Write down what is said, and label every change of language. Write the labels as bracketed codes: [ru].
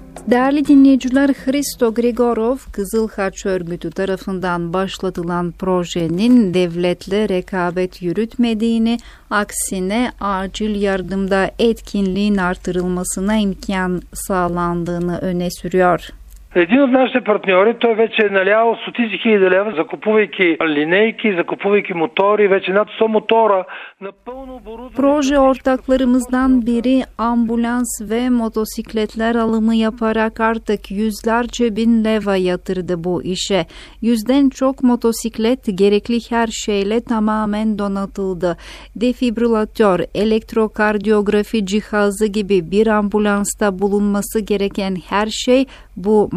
[tr] Değerli dinleyiciler, Hristo Grigorov, Kızıl Haç örgütü tarafından başlatılan projenin devletle rekabet yürütmediğini, aksine acil yardımda etkinliğin artırılmasına imkan sağlandığını öne sürüyor. [bg] Един от нашите партньори, той вече е налял стотици хиляди лева, закупувайки линейки, закупувайки мотори, вече над 100 мотора, напълно оборудване. [tr] Proje ortaklarımızdan biri ambulans ve motosikletler alımı yaparak artık yüzlerce bin leva yatırdı bu işe. Yüzden çok motosiklet gerekli her şeyle tamamen donatıldı. Defibrilatör, elektrokardiyografi cihazı gibi bir ambulansta bulunması gereken her şey bu motosiklet.